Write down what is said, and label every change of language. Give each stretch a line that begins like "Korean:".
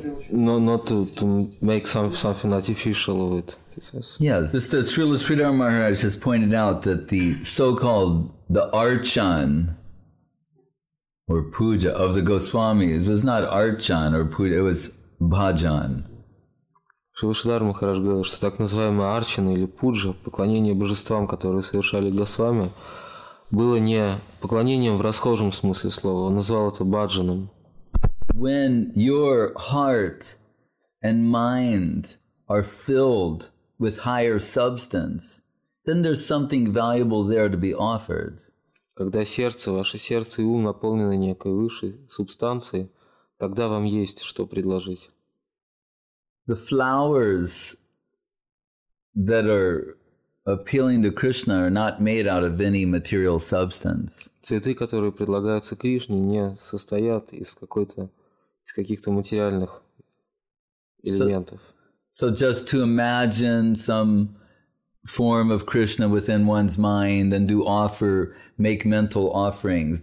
English: not to make something artificial of it, he says. Yes, this is Srila Sridhar Maharaj has pointed out that the so-called the Archan or Puja of the Goswamis was not Archan or Puja, it was Bhajan.
Russian: Шивашидар Махарадж говорил, что так называемая арчана или пуджа, поклонение божествам, которые совершали госвами, было не поклонением в расхожем смысле слова, он назвал это баджаном.
English: When your heart and mind are filled with higher substance, then there's something valuable there to be offered.
Russian: Когда сердце, ваше сердце и ум наполнены некой высшей субстанцией, тогда вам есть что предложить.
English: The flowers that are appealing to Krishna are not made out of any material substance.
Russian: Цветы, которые предлагаются Кришне, не состоят из каких-то материальных элементов.
English: So just to imagine some form of Krishna within one's mind and make mental offerings.